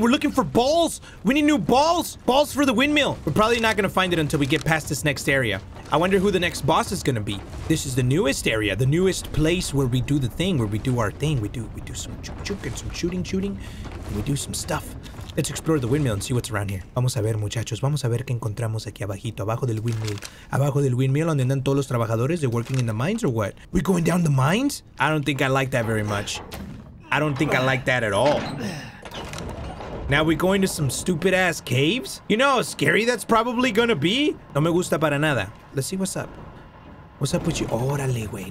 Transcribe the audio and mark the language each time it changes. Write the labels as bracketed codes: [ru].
[en] We're looking for balls. We need new balls. Balls for the windmill. We're probably not gonna find it until we get past this next area. I wonder who the next boss is gonna be. This is the newest area, the newest place where we do the thing, where we do our thing. We do some chook and some shooting, and we do some stuff. Let's explore the windmill and see what's around here. [es] Vamos a ver, muchachos. Vamos a ver qué encontramos aquí abajito, abajo del windmill. Abajo del windmill, donde andan todos los trabajadores. [en] They're working in the mines or what? We going down the mines? I don't think I like that very much. I don't think I like that at all. Now we going to some stupid ass caves? You know how scary that's probably gonna be? [es] No me gusta para nada. [en] Let's see what's up. What's up with you? [es] Órale, güey.